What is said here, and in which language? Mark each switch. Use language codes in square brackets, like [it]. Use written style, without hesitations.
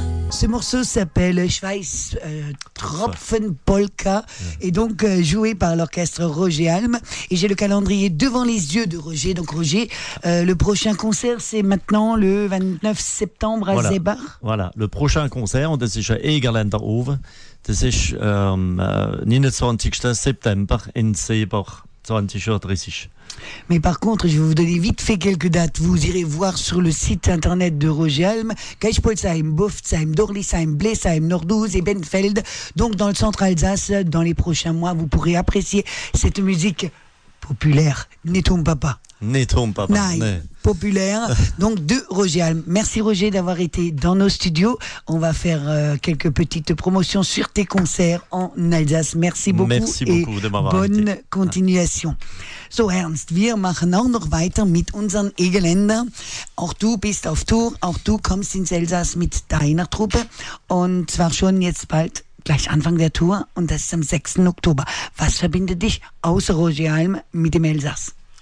[fr] Ce morceau s'appelle Schweiß Tropfen Polka, et donc joué par l'orchestre Roger Alm. Et j'ai le calendrier devant les yeux de Roger. Donc Roger, le prochain concert, c'est maintenant le 29 septembre à voilà. Zebar. Voilà, le prochain concert, [de] das ist Egerländer Ove, das ist 29. September in Zebar, 20h30. [fr] Mais par contre, je vais vous donner vite fait quelques dates. Vous irez voir sur le site internet de Roger Alm, Geispolsheim, Bofzheim, Dorlisheim, Blesheim, Nordhouse et Benfeld. Donc dans le centre Alsace, dans les prochains mois, vous pourrez apprécier cette musique populaire. N'est-on pas. [de] Nein, [fr] populaire. Donc de Roger Alm. Merci Roger d'avoir été dans nos studios. On va faire quelques petites promotions sur tes concerts en Alsace. Merci beaucoup de m'avoir bonne invité. Continuation. [de] So Ernst, wir machen auch noch weiter mit unseren Egerländern. Auch du bist auf Tour, auch du kommst ins Elsass mit deiner Truppe. Und zwar schon jetzt bald, gleich Anfang der Tour, und das ist am 6. Oktober. Was verbindet dich außer Roger Alm mit dem Elsass?